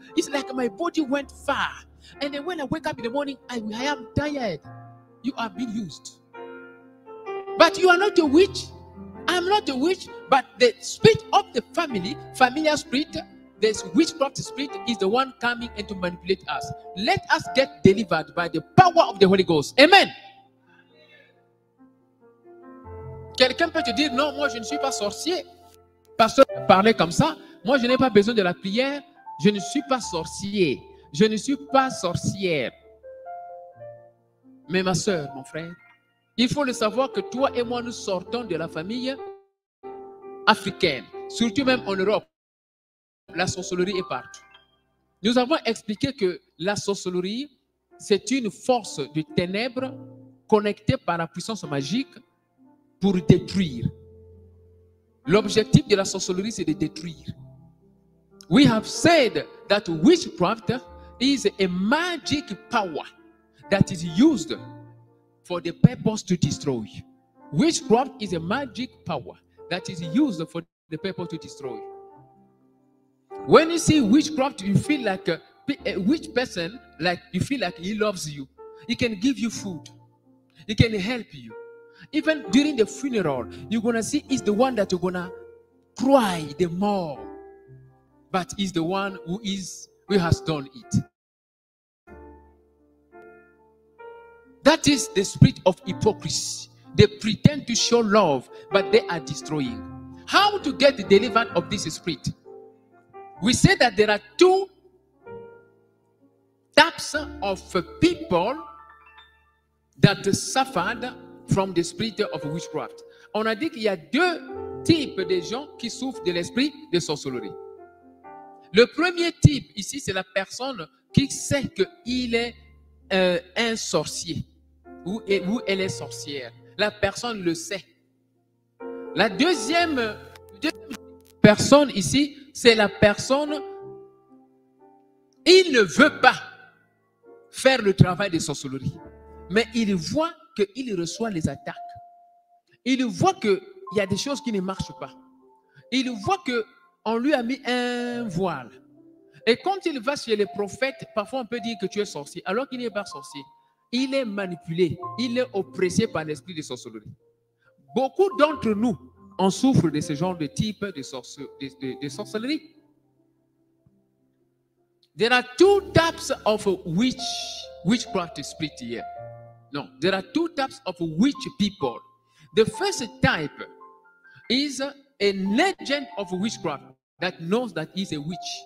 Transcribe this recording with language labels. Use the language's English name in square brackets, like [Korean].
[English] It's like my body went far. And then when I wake up in the morning, I am tired. You are being used. But you are not a witch. I'm not a witch, but the spirit of the family, familiar spirit, this witchcraft spirit is the one coming and to manipulate us. Let us get delivered by the power of the Holy Ghost. Amen. [French] Quelqu'un peut te dire, non, moi je ne suis pas sorcier. Pasteur parlait comme ça. Moi je n'ai pas besoin de la prière. Je ne suis pas sorcier. Je ne suis pas sorcière. Mais ma soeur, mon frère, il faut le savoir que toi et moi, nous sortons de la famille africaine, surtout même en Europe. La sorcellerie est partout. Nous avons expliqué que la sorcellerie, c'est une force de ténèbres connectée par la puissance magique pour détruire. L'objectif de la sorcellerie, c'est de détruire. [English] We have said that witchcraft is a magic power that is used for the purpose to destroy. Witchcraft is a magic power that is used for the purpose to destroy. When you see witchcraft, you feel like a witch person, like you feel like he loves you. He can give you food. He can help you. Even during the funeral, you're going to see he's the one that you're going to cry the more. But he's the one who has done it. That is the spirit of hypocrisy. They pretend to show love, but they are destroying. How to get delivered of this spirit? We say that there are two types of people that suffered from the spirit of witchcraft. [French] On a dit qu'il y a deux types de gens qui souffrent de l'esprit de sorcellerie. Le premier type ici, c'est la personne qui sait qu'il est un sorcier ou elle est sorcière. La personne le sait. La deuxième personne ici, c'est la personne, il ne veut pas faire le travail de sorcellerie, mais il voit qu'il reçoit les attaques. Il voit qu'il y a des choses qui ne marchent pas. Il voit qu'on lui a mis un voile. Et quand il va chez les prophètes, parfois on peut dire que tu es sorcier, alors qu'il n'est pas sorcier. Il est manipulé, il est oppressé par l'esprit de sorcellerie. Beaucoup d'entre nous, on souffre de ce genre de type de sorcellerie. [English] There are two types of witchcraft spirit here. No, there are two types of witch people. The first type is an agent of witchcraft that knows that he's a witch.